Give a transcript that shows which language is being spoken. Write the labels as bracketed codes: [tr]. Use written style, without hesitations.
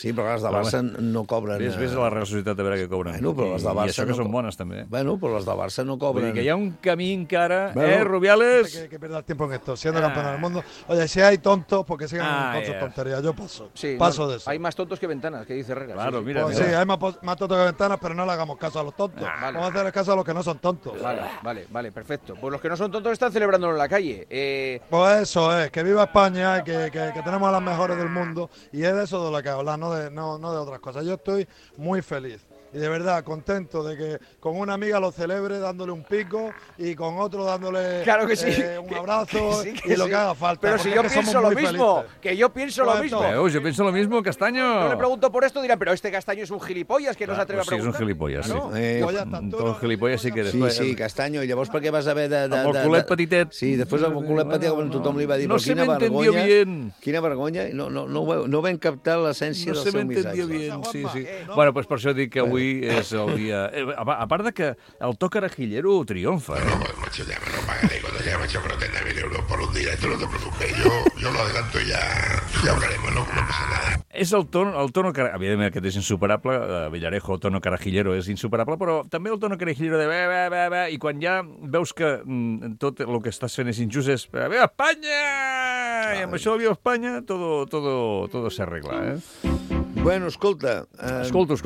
[ca] Sí, però les del Barça no cobren... Ves a la Real Societat a veure què cobren. Bueno, però les del Barça... I això que són bones, també. Bueno, però les del Barça no cobren. Vull dir que hi ha un camí encara, Rubiales? [es] Que perda el tiempo en esto, siendo campeón del mundo. Oye, si hay tontos, porque sigan con sus tonterías. Yo paso. Sí, paso de eso. Hay más tontos que ventanas, que dice Regas. Claro, sí, mira. Pues, sí, hay más tontos que ventanas, pero no le hagamos caso a los tontos. Vamos a hacer caso a los que no son tontos. Vale, perfecto. Pues los que no son tontos están celebrándolo en la calle. Pues eso es, que viva España, que tenemos a las mejores del mundo, y es de eso de lo que hablas, no de otras cosas. Yo estoy muy feliz y de verdad contento de que con una amiga lo celebre dándole un pico y con otro dándole un abrazo que haga falta. Pero si yo pienso lo mismo, yo pienso lo mismo, Castaño. Yo le pregunto por esto, dirán, pero este Castaño es un gilipollas que no se atreve a preguntar. Sí, es un gilipollas, sí. Un gilipollas sí que eres. [ca] Sí, sí, Castaño, i llavors per què vas haver de... Amb el culet petitet. Sí, després amb el culet petitet, quan tothom li va dir, [es] no se m'entendió bien. [ca] Quina vergonya, no vam captar l'essència del seu missatge. [es] No se m'entendió bien, sí, sí. [ca] Bueno, doncs per això dic que avui és el dia... A part de que el toc carajillero triomfa. [es] No, macho, ja me repagaré. Cuando ya me echo por 30.000 euros por un día, esto no te preocupes. Yo lo adelanto y ya hablaremos, no pasa nada. [ca] És el tono carajillero. Evidentment, aquest és insuperable. Villarejo, tono carajillero, és insuperable. Però també el tono carajillero de... I quan ja veus que tot el que estàs fent és injust, és... ¡Viva España! I amb això de Viva España, [es] todo se arregla, [ca] Bueno, escolta... Escolto.